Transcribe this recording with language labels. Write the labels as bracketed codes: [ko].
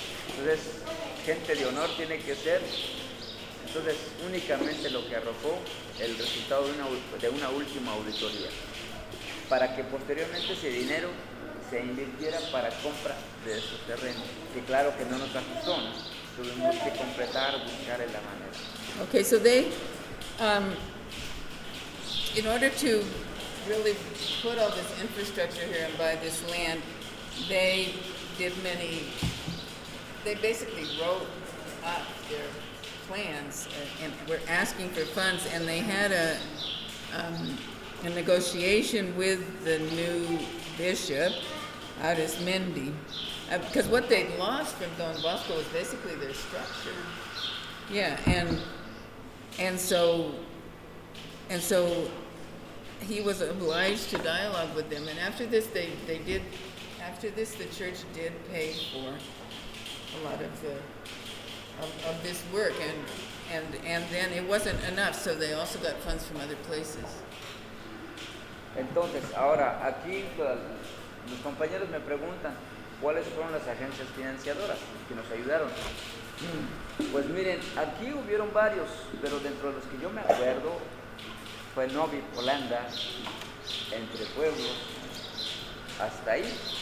[es] Entonces, gente de honor tiene que ser. Entonces, únicamente lo que arrojó el resultado de una última auditoría, para que posteriormente ese dinero se invirtiera para compra de esos terrenos. Que claro que no nos ajustó, ¿no? Tuvimos que completar, buscar en la manera. [en] Ok, so they, in order to really put all this infrastructure here and buy this land, they did many, they basically wrote up their plans and were asking for funds, and they had a negotiation with the new bishop, Arizmendi, because what they'd lost from Don Bosco was basically their structure. Yeah, and so he was obliged to dialogue with them, and after this they did, after this the church did pay for a lot of the of this work, and then it wasn't enough, so they also got funds from other places. [es] Entonces ahora aquí mis compañeros me preguntan cuáles fueron las agencias financiadoras que nos ayudaron. Pues miren, aquí hubieron varios, pero dentro de los que yo me acuerdo fue Novi, Holanda, Entre Pueblos, hasta ahí.